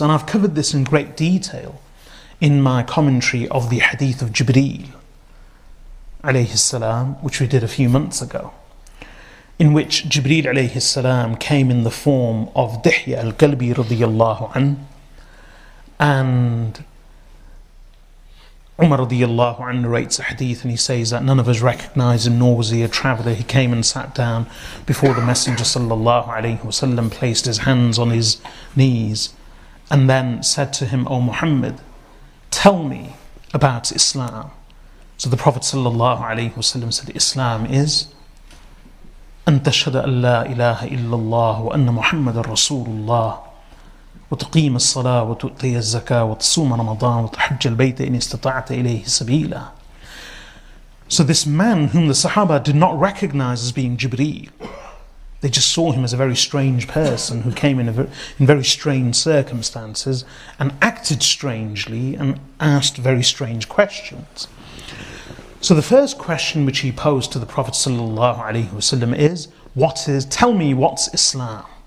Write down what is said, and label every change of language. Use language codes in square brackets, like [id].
[en] And I've covered this in great detail in my commentary of the hadith of Jibreel alayhi salam, which we did a few months ago, in which Jibreel alayhi salam came in the form of Dihya al-Qalbi radiyallahu an, and Umar radiyallahu an narrates a hadith and he says that none of us recognize him, nor was he a traveler. He came and sat down before the Messenger sallallahu alayhi wasallam, placed his hands on his knees, and then said to him, O Muhammad, tell me about Islam. So the Prophet sallallahu alaihi wasallam said, Islam is [ar] أن تشهد أن لا إله إلا الله وأن محمد رسول الله وتقيم الصلاة وتؤتي الزكاة وتصوم رمضان وتحج البيت إن استطعت إليه سبيلا. [en] So this man whom the Sahaba did not recognize as being Jibreel, they just saw him as a very strange person who came in very strange circumstances and acted strangely and asked very strange questions. So the first question which he posed to the Prophet sallallahu alaihi wasallam is, tell me, what's Islam?